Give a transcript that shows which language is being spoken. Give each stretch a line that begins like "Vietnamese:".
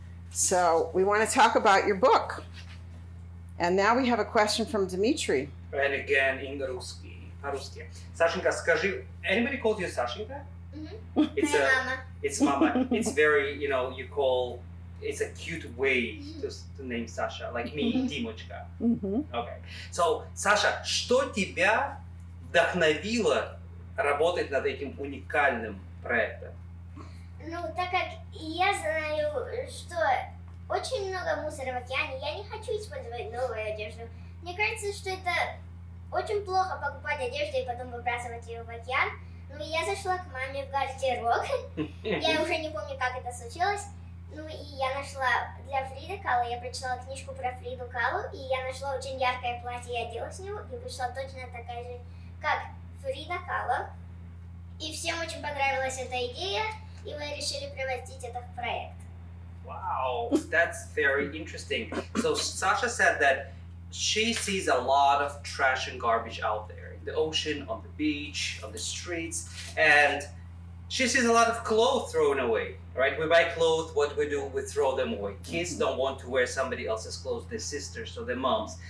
English: So we want to talk about your book. And now we have a question from Dimitri. And again, in Ruski. Paruski. Sashenka,
Russian: скажи,
English: anybody calls you Sashenka? Mm-hmm. It's mama. It's mama. It's very, you know, you call, it's a cute way to name Sasha, like me, mm-hmm.
Russian: Димочка. Mm-hmm.
English: Okay.
Russian: So, Sasha, что тебя вдохновило работать над этим уникальным проектом? Ну, так как я знаю, что очень много мусора в океане, я не хочу использовать новую одежду. Мне кажется, что это очень плохо покупать одежду и потом выбрасывать ее в океан. Но я зашла к маме в гардероб. Я уже не помню, как это случилось. Ну и я нашла для Фриды Кало, я прочитала книжку про Фриду Кало, и я нашла очень яркое платье, я одела с него, и пришла точно такая же, как Фрида Кало. И всем очень понравилась эта идея, и мы решили превратить это в проект.
English: Wow, that's very interesting. So Sasha said that she sees a lot of trash and garbage out there, in the ocean, on the beach, on the streets, and she sees a lot of clothes thrown away, right? We buy clothes, what we do, we throw them away. Kids don't want to wear somebody else's clothes, their sisters or their moms.